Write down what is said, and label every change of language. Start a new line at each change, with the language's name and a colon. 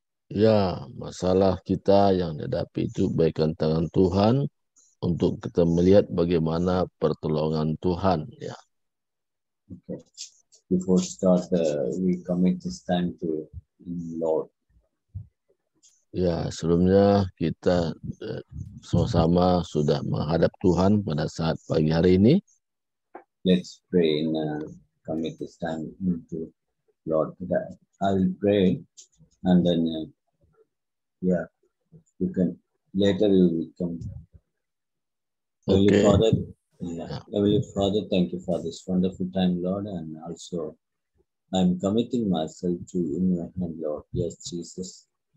Indonesian: Ya, masalah kita yang dihadapi itu baikkan tangan Tuhan untuk kita melihat bagaimana pertolongan Tuhan. Ya.
English: Okay. Before start, we commit this time to Lord.
Indonesian: Ya, sebelumnya kita sama-sama sudah menghadap Tuhan pada saat pagi hari ini.
English: Let's pray and commit this time into Lord. I'll pray and then you can later you will come. Okay. Heavenly Father, thank you for this wonderful time, Lord, and also I'm committing myself to in your hand, Lord. Yes, Jesus.